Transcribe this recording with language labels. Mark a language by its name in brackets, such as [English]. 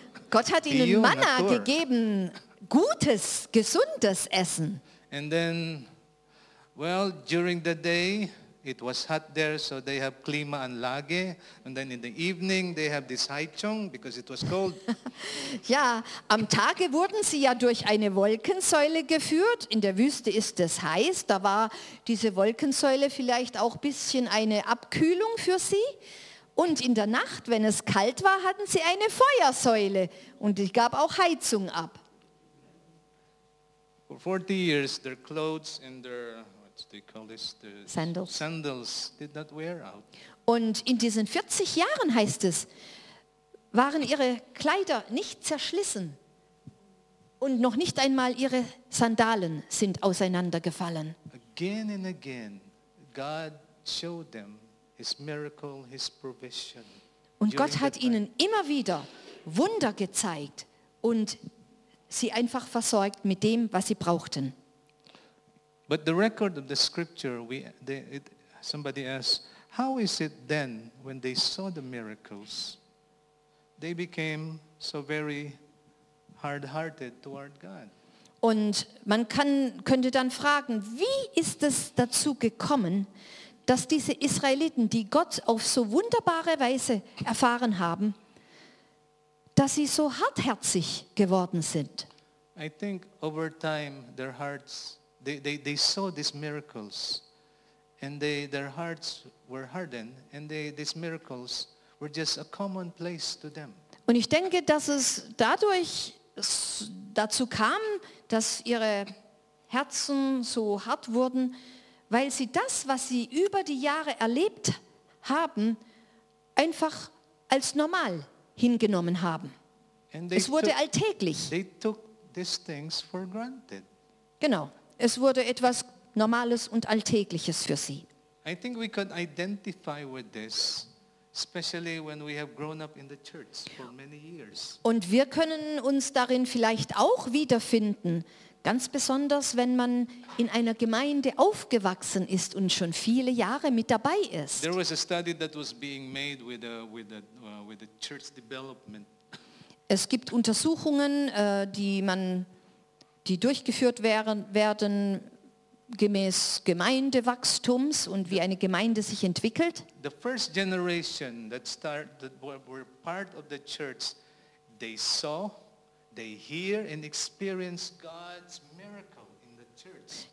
[German] Gott hat ihnen Manna gegeben, gutes, gesundes Essen. [English] And then, well, during the day, it was hot there, so they have Klimaanlage. And then in the evening, they have this Heizung, because it was cold. [German] Ja, am Tage wurden sie ja durch eine Wolkensäule geführt. In der Wüste ist es heiß. Da war diese Wolkensäule vielleicht auch ein bisschen eine Abkühlung für sie. Und in der Nacht, wenn es kalt war, hatten sie eine Feuersäule. Und die gab auch Heizung ab. [English] For 40 years, their clothes and their... They call this the sandals. Sandals did not wear out. [German] Und in diesen 40 Jahren, heißt es, waren ihre Kleider nicht zerschlissen. Und noch nicht einmal ihre Sandalen sind auseinandergefallen. [English] Again and again, God showed them his miracle, his provision. [German] Und Gott hat ihnen immer wieder Wunder gezeigt und sie einfach versorgt mit dem, was sie brauchten. [English] But the record of the scripture, somebody asked, how is it then when they saw the miracles, they became so very hard-hearted toward God? [German] Und man könnte dann fragen, wie ist es dazu gekommen, dass diese Israeliten, die Gott auf so wunderbare Weise erfahren haben, dass sie so hartherzig geworden sind? [English] I think over time their hearts, they saw these miracles and their hearts were hardened and these miracles were just a commonplace to them. [German] Und ich denke, dass es dadurch dazu kam, dass ihre Herzen so hart wurden, weil sie das, was sie über die Jahre erlebt haben, einfach als normal hingenommen haben. Es wurde alltäglich. [English] They took these things for granted. [German] Genau. Es wurde etwas Normales und Alltägliches für sie. [English] I think we could identify with this, especially when we have grown up in the church for many years. [German] Und wir können uns darin vielleicht auch wiederfinden, ganz besonders, wenn man in einer Gemeinde aufgewachsen ist und schon viele Jahre mit dabei ist. [English] There was a study that was being made with the church development. [German] Es gibt Untersuchungen, die durchgeführt werden gemäß Gemeindewachstums und wie eine Gemeinde sich entwickelt. [English] The first generation that started, that were part of the church, they saw, they hear and experience God's miracle in the church.